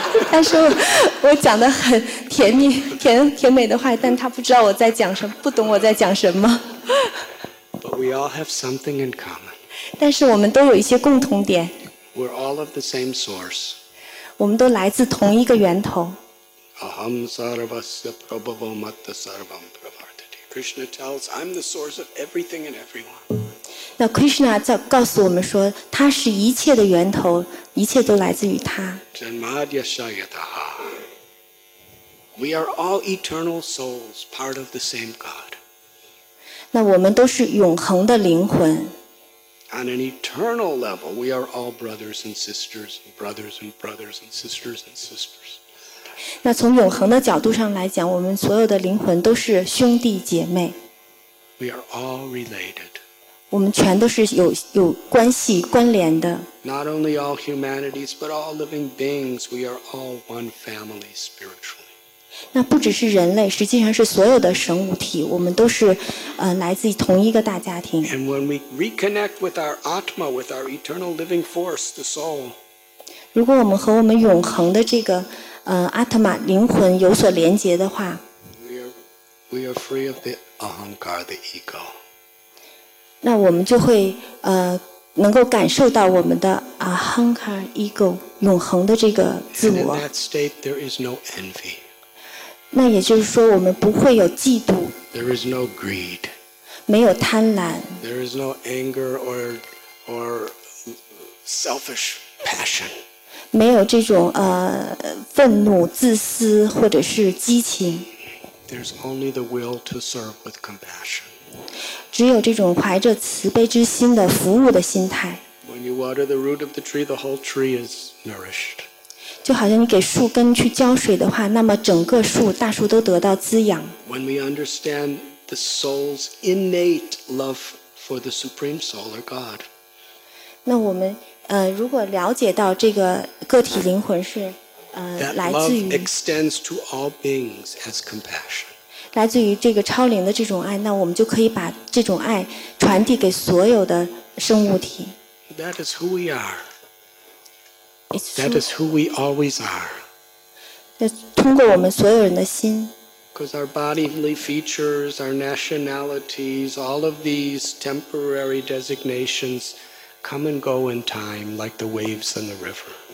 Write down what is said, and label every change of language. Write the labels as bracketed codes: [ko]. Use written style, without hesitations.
[zh] 但是我讲得很甜蜜、甜美的话，但他不知道我在讲什么，不懂我在讲什么。 [en] But we all have something in common. [zh] 但是我们都有一些共同点。 [en] We're all of the same source. [zh] 我们都来自同一个源头。 [sa] Aham sarvasya prabhavo matta sarvam pravartate. [en] Krishna tells, I'm the source of everything and everyone. [zh] 那 Krishna 在告诉我们说，他是一切的源头，一切都来自于他。 [sa] Janmadya shayataha. [en] We are all eternal souls, part of the same God. [zh] 那我们都是永恒的灵魂。 [en] On an eternal level, we are all brothers and sisters, and brothers and brothers and sisters and sisters. [zh] 那从永恒的角度上来讲，我们所有的灵魂都是兄弟姐妹。 [en] We are all related. [zh] 我们全都是有关系关联的。 [en] Not only all humanities, but all living beings, we are all one family spiritually. [zh] 那不只是人类，实际上是所有的生物体，我们都是来自同一个大家庭。 [en] And when we reconnect with our Atma, with our eternal living force, the soul. [zh] 如果我们和我们永恒的这个阿特玛灵魂有所连接的话， [en] we are free of the ahankar, the ego. [zh] 那我们就会能够感受到我们的 ahankar, ego, 永恒的这个自我。 [en] And in that state, there is no envy. [zh] 那也就是说，我们不会有嫉妒。 [en] There is no greed. [zh] 没有贪婪。 [en] There is no anger or selfish passion. [zh] 没有这种愤怒、自私或者是激情。 [en] There's only the will to serve with compassion. [zh] 只有这种怀着慈悲之心的服务的心态。 [en] When you water the root of the tree, the whole tree is nourished. [zh] 就好像你给树根去浇水的话，那么整个树、大树都得到滋养。 [en] When we understand the soul's innate love for the supreme soul or God. [zh] 那我们。如果了解到这个个体灵魂是来自于 [en] That love extends to all beings as compassion. [zh] 来自于这个超灵的这种爱，那我们就可以把这种爱传递给所有的生物体。 [en] That is who we are. It's true. That is who we always are. [zh] 那通过我们所有人的心。 [en] Because our bodily features, our nationalities, all of these temporary designations. Come and go in time, like the waves and the river.